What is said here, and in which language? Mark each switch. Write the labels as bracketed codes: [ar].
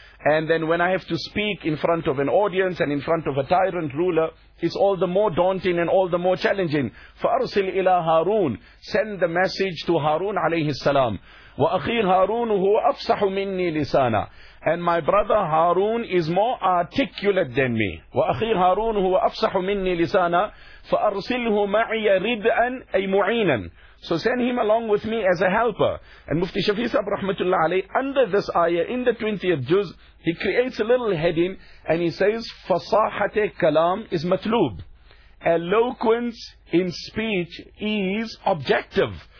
[en] And then when I have to speak in front of an audience and in front of a tyrant ruler, it's all the more daunting and all the more challenging. [ar] فَأَرْسِلْ إِلَىٰ هَارُونَ. [en] Send the message to Harun alayhi salam. [ar] وَأَخِيْ هَارُونُ هُوَ أَفْصَحُ مِنِّي لِسَانًا. [en] And my brother Harun is more articulate than me. [ar] وَأَخِيْ هَارُونُ هُوَ أَفْصَحُ مِنِّي لِسَانًا. فَأَرْسِلْهُ مَعِيَ رِدْءًا أَيْ مُعِينًا. [en] So send him along with me as a helper. And Mufti Shafi Sahib Rahmatullah Alayh, under this ayah, in the 20th juz, he creates a little heading, and he says, فَصَاحَةِ kalam is matlub. Eloquence in speech is objective.